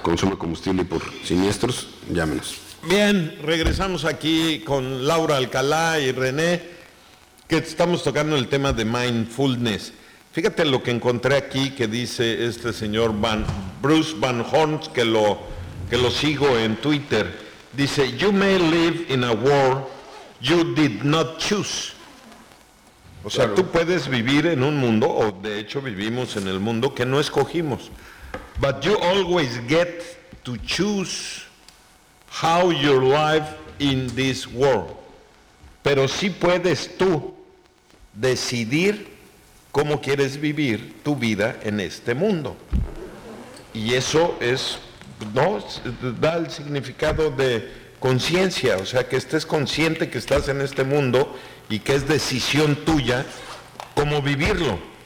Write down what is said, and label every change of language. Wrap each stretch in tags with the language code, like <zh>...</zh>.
<es>consumo de combustible y por siniestros, llámenos. Bien, regresamos aquí con Laura Alcalá y René, que estamos tocando el tema de mindfulness. Fíjate lo que encontré aquí que dice este señor Bruce Van Horn, que lo sigo en Twitter.</es> <en>Dice, you may live in a world you did not choose.</en> <es>O sea, claro, tú puedes vivir en un mundo, o de hecho vivimos en el mundo que no escogimos.</es> <en>But you always get to choose how your life in this world.</en> <es>Pero sí puedes tú decidir cómo quieres vivir tu vida en este mundo. Y eso es, ¿no?, da el significado de conciencia, o sea, que estés consciente que estás en este mundo y que es decisión tuya cómo vivirlo.</es>